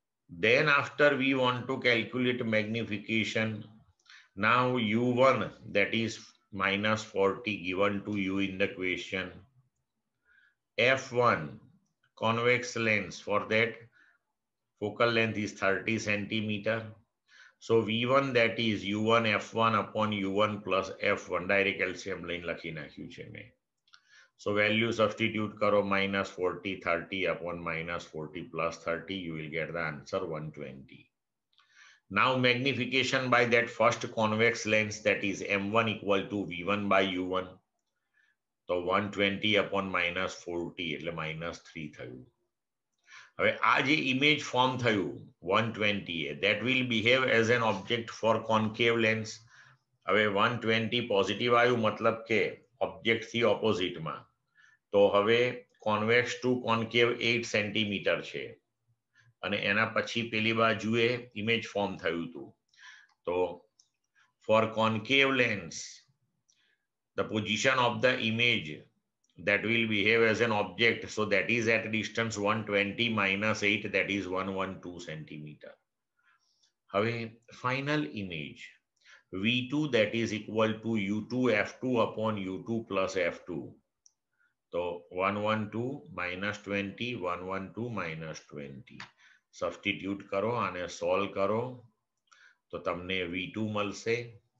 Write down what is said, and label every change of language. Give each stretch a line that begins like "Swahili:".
English: then after we want to calculate magnification, now U1 that is minus 40 given to you in the question, F1 convex lens for that focal length is 30 centimetre, so V1 that is U1 F1 upon U1 plus F1, direct LCM
Gujarati: લઈને લખી નાખ્યું છે મેં.
English: So value substitute કરો, minus 40 30 upon minus 40 plus 30, you will get the answer 120. Now magnification by that first convex lens that is M1 equal to V1 by U1. So 120 upon minus 40, એટલે minus 3 થયું.
Gujarati: હવે આ જે ઇમેજ ફોર્મ થયું 120 એ,
English: that will behave as an object for concave lens.
Gujarati: હવે 120 positive આવ્યું મતલબ કે ઓબ્જેક્ટ થી ઓપોઝિટમાં, તો હવે
English: convex to concave 8 centimetre
Gujarati: છે અને એના પછી પેલી બાજુએ ઇમેજ ફોર્મ થયું હતું.
English: તો for concave lens the position of the image that will behave as an object, so that is at distance 120 minus 8 that is 112 centimetre.
Gujarati: હવે final image,
English: V2 that is equal to U2F2 upon U2 plus F2. So 112 minus 20, 112 minus 20. Substitute karo and solve karo. So
Gujarati: tamne V2 malse.